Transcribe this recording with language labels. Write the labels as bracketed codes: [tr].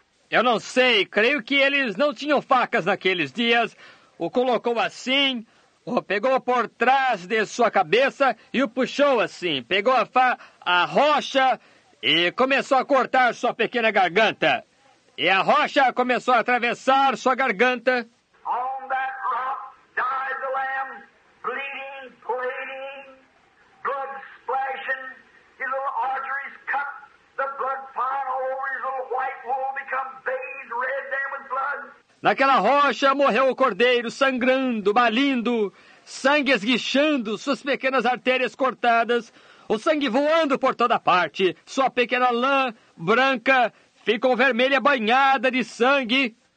[pt] Eu não sei, creio que eles não tinham facas naqueles dias. O colocou assim, o pegou por trás de sua cabeça e o puxou assim. Pegou a rocha e começou a cortar sua pequena garganta. E a rocha começou a atravessar sua garganta. [en] On that rock died the lamb, bleeding, bleeding, blood splashing, his little arteries cut, the blood flying all over his little white wool become bathed red there with blood. [pt] Naquela rocha morreu o cordeiro, sangrando, balindo, sangue esguichando, suas pequenas artérias cortadas, o sangue voando por toda parte, sua pequena lã branca ficou vermelha, banhada de sangue.